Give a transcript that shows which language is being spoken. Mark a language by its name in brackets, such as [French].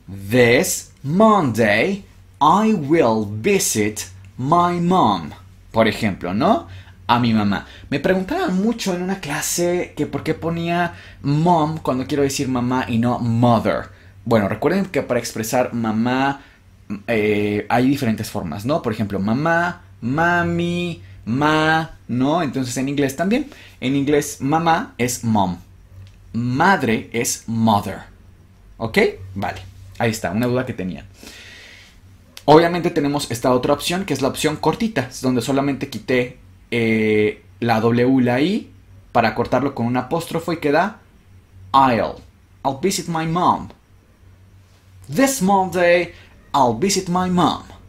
[English] This Monday I will visit my mom. [Spanish] Por ejemplo, ¿no? A mi mamá. Me preguntaban mucho en una clase que por qué ponía mom cuando quiero decir mamá y no mother. Bueno, recuerden que para expresar mamá hay diferentes formas, ¿no? Por ejemplo, mamá, mami, ma, ¿no? Entonces en inglés también. En inglés, mamá es mom. Madre es mother. ¿Ok? Vale. Ahí está, una duda que tenía. Obviamente tenemos esta otra opción, que es la opción cortita, donde solamente quité la W, la I, para cortarlo con un apóstrofo y queda [English] I'll visit my mom. This Monday, I'll visit my mom.